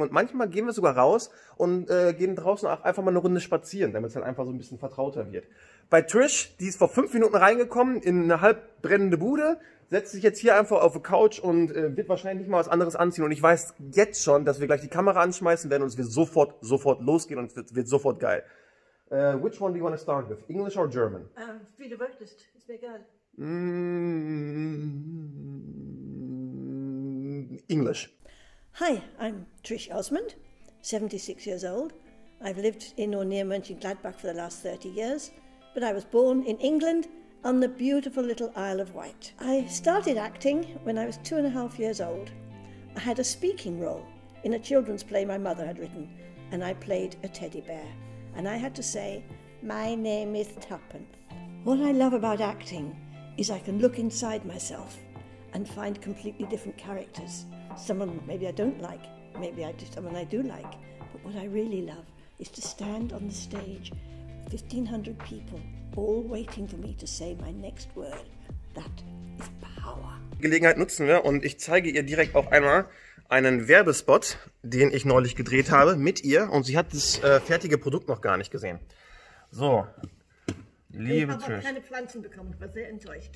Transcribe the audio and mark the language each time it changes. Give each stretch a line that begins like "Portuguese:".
German: Und manchmal gehen wir sogar raus und gehen draußen auch einfach mal eine Runde spazieren, damit es halt einfach so ein bisschen vertrauter wird. Bei Trish, die ist vor 5 Minuten reingekommen in eine halb brennende Bude, setzt sich jetzt hier einfach auf die Couch und wird wahrscheinlich nicht mal was anderes anziehen. Und ich weiß jetzt schon, dass wir gleich die Kamera anschmeißen werden und es wird sofort losgehen und es wird sofort geil.
English: Which one do you want to start with? English or German?
German: Wie du möchtest. Ist mir egal.
English: English. Hi, I'm Trish Osmond, 76 years old. I've lived in or near Mönchengladbach for the last 30 years. But I was born in England on the beautiful little Isle of Wight. I started acting when I was 2.5 years old. I had a speaking role in a children's play my mother had written, and I played a teddy bear. And I had to say, my name is Tuppence. What I love about acting is I can look inside myself and find completely different characters. Some of them maybe I don't like, maybe I just someone I do like. But what I really love is to stand on the stage 1,500 people, all waiting for me to say my next word. That is power.
German: Die Gelegenheit nutzen wir und ich zeige ihr direkt auch einmal einen Werbespot, den ich neulich gedreht habe, mit ihr. Und sie hat das fertige Produkt noch gar nicht gesehen. So, liebe Trish. Ich habe keine Pflanzen bekommen, ich war sehr enttäuscht.